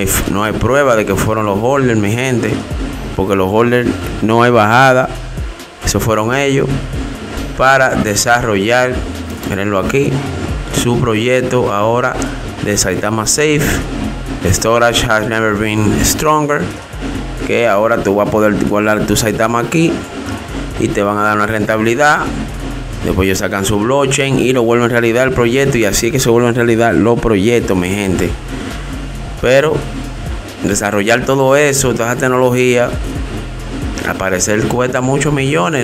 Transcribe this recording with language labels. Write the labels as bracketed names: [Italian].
[Spanish] No hay prueba de que fueron los holders, mi gente, porque los holders no hay bajada. Eso fueron ellos para desarrollar, mirenlo aquí, su proyecto ahora de Saitama Safe. [English] Storage has never been stronger. [Spanish] Que ahora tú vas a poder guardar tu Saitama aquí y te van a dar una rentabilidad. Después ellos sacan su blockchain y lo vuelven realidad el proyecto. Y así es que se vuelven realidad los proyectos, mi gente. Pero desarrollar todo eso, toda esa tecnología, al parecer cuesta muchos millones.